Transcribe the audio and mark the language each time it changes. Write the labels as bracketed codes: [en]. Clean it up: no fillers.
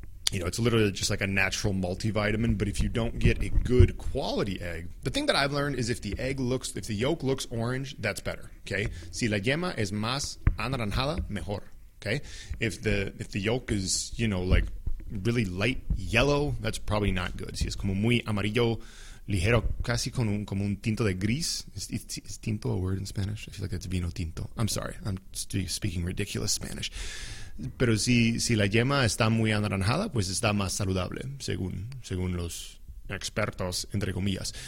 [en] You know, it's literally just like a natural multivitamin, but if you don't get a good quality egg, the thing that I've learned is if the yolk looks orange, that's better, okay? [es] Si la yema es más anaranjada, mejor, okay? [en] If the yolk is, you know, like really light yellow, that's probably not good. [es] Si es como muy amarillo, ligero, casi como un tinto de gris. [en] Is tinto a word in Spanish? I feel like that's vino tinto. I'm sorry, I'm speaking ridiculous Spanish. [es] Pero si la yema está muy anaranjada, pues está más saludable, según los expertos, entre comillas.